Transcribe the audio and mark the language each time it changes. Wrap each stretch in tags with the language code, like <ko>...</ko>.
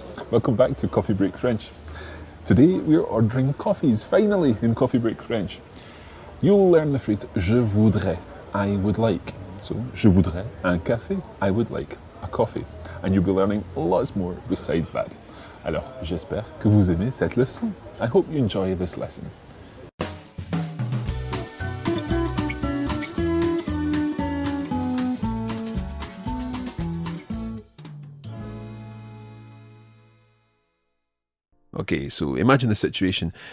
<en>Welcome back to Coffee Break French. Today we're ordering coffees, finally, in Coffee Break French. You'll learn the phrase je voudrais, I would like. So, je voudrais un café, I would like a coffee. And you'll be learning lots more besides that.</en> <fr>Alors, j'espère que vous aimez cette leçon.</fr> <en>I hope you enjoy this lesson. Okay, so imagine the situation.</en>